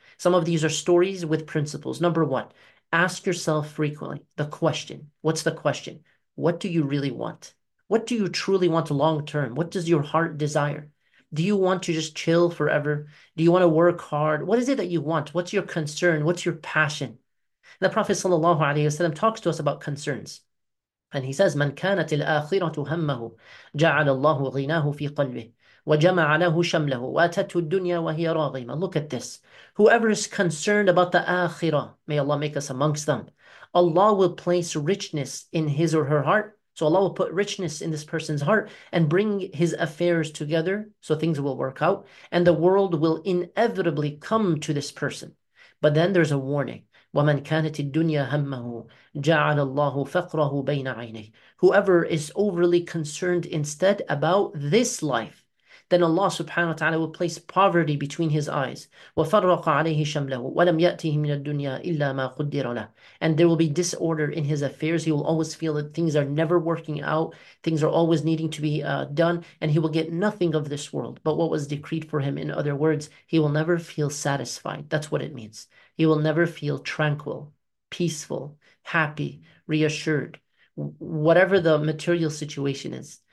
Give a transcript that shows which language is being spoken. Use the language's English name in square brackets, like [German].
[English] Some of these are stories with principles. Number one, ask yourself frequently the question. What's the question? What do you really want? What do you truly want long term? What does your heart desire? Do you want to just chill forever? Do you want to work hard? What is it that you want? What's your concern? What's your passion? And the Prophet ﷺ talks to us about concerns. And he says, [Arabic] من كانت الآخرة همه جعل الله غناه في قلبه وجمع له شمله واتته الدنيا وهي راغمة. [English] Look at this. Whoever is concerned about the Akhirah, may Allah make us amongst them, Allah will place richness in his or her heart. So Allah will put richness in this person's heart and bring his affairs together so things will work out and the world will inevitably come to this person. But then there's a warning. [Arabic] وَمَنْ كَانَتِ الدُّنْيَا هَمَّهُ جَعَلَ اللَّهُ فَقْرَهُ بَيْنَ عَيْنَيْهِ [English] Whoever is overly concerned instead about this life, then Allah subhanahu wa ta'ala will place poverty between his eyes. [Arabic] وَفَرَّقَ عَلَيْهِ شَمْلَهُ وَلَمْ يَأْتِهِ مِنَ الدُّنْيَا إِلَّا مَا قُدِّرَ لَهُ [English] And there will be disorder in his affairs. He will always feel that things are never working out. Things are always needing to be done. And he will get nothing of this world. But what was decreed for him, in other words, he will never feel satisfied. That's what it means. He will never feel tranquil, peaceful, happy, reassured, whatever the material situation is.